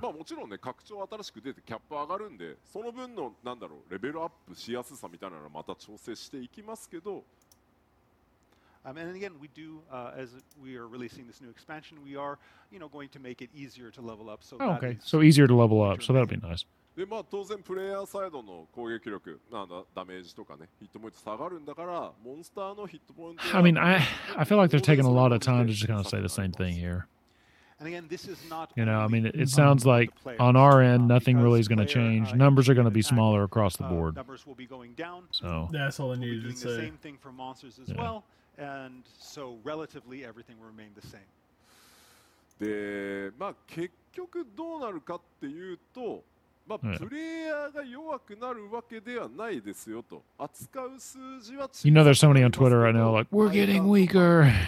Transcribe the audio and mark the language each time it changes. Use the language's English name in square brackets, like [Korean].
[Japanese] まあもちろんね、拡張新しく出てキャップ上がるんで、その分の、なんだろう、レベルアップしやすさみたいなのまた調整していきますけど。 [English] And again, we do, as we are releasing this new expansion, we are, you know, going to make it easier to level up. So oh, okay, so easier to level up, so that'll be nice. [Japanese] で、まあ当然プレイヤーサイドの攻撃力、なんだダメージとかね、ヒットポイント下がるんだから、モンスターのヒットポイント。 [English] I mean, I feel like they're taking a lot of time to just kind of say the same thing here. And again, this is not. You know, I mean, it sounds like on our end, nothing really is going to change. Numbers are going to be smaller across the board. Numbers will be going down. So that's all I needed to say. The same thing for monsters as well, and so relatively everything will remain the same. [Japanese] で、まあ結局どうなるかっていうと。まあ、プレイヤーが弱くなるわけではないですよと扱う数字は [English] You know there's somebody on Twitter right now like We're getting weaker